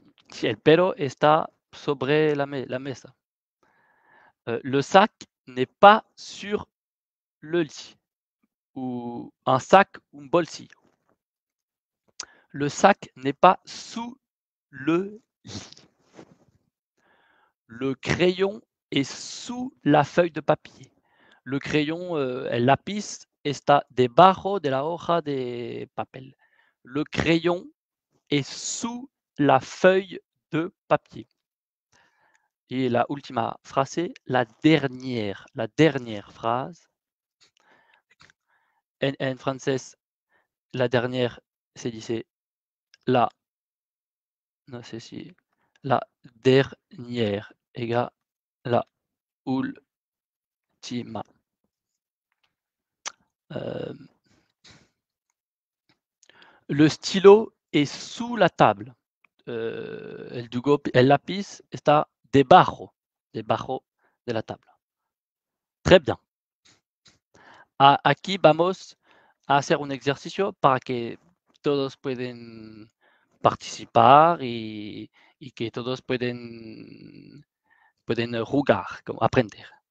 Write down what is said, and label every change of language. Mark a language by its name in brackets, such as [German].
[Spanish] Si el perro está sobre la mesa. [French] Le sac n'est pas sur le lit. Ou un sac, [Spanish] un bolsillo. [French] Le sac n'est pas sous le lit. Le crayon est sous la feuille de papier. Le crayon, [Spanish] el lápiz, está debajo de la hoja de papel. [French] Le crayon est sous la feuille de papier. Et [Spanish] la última frase, [French] la dernière phrase. En français, la dernière, c'est dit la, [Spanish] no sé si, [French] la dernière, égale [Spanish] la última. [French] Le stylo est sous la table. [Spanish] El dugo, el lápiz está debajo, debajo de la table. [French] Très bien. [Spanish] Aquí vamos a hacer un ejercicio para que todos puedan participar y que todos pueden jugar, aprender.